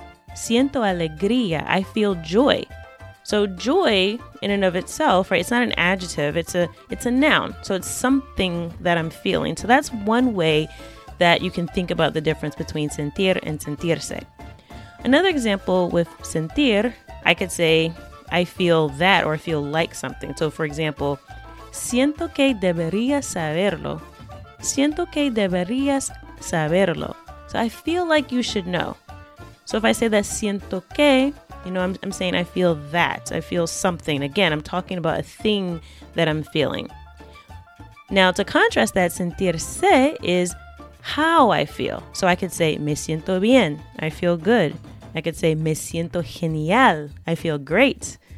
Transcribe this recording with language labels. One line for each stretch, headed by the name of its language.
Spanish: Siento alegría,
English: I feel joy. So joy in and of itself, right, it's not an adjective, it's a noun. So it's something that I'm feeling. So that's one way that you can think about the difference between sentir and sentirse. Another example with sentir, I could say I feel that or feel like something. So for example,
Spanish: siento que deberías saberlo. Siento que deberías saberlo.
English: So I feel like you should know. So if I say that
Spanish: siento que,
English: you know, I'm saying I feel that. I feel something. Again, I'm talking about a thing that I'm feeling. Now, to contrast that, sentirse is how I feel. So I could say
Spanish: me siento bien.
English: I feel good. I could say
Spanish: me siento genial.
English: I feel great.